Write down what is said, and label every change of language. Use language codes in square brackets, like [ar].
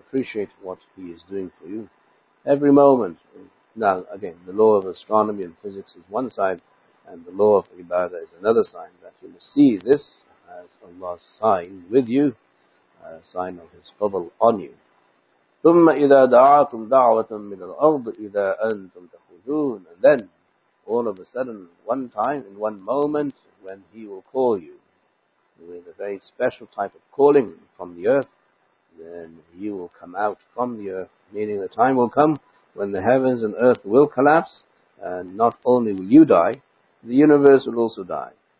[en] Appreciate what he is doing for you every moment. Now again, the law of astronomy and physics is one side and the law of ibadah is another side, that you must see this as Allah's sign with you, a sign of his fadl on you. [ar] ثم إذا دعاتم دعوة من الأرض إذا أنتم تخرجون. [en] And then, all of a sudden, one time, in one moment, when he will call you with a very special type of calling from the earth, then you will come out from the earth, meaning the time will come when the heavens and earth will collapse, and not only will you die, the universe will also die.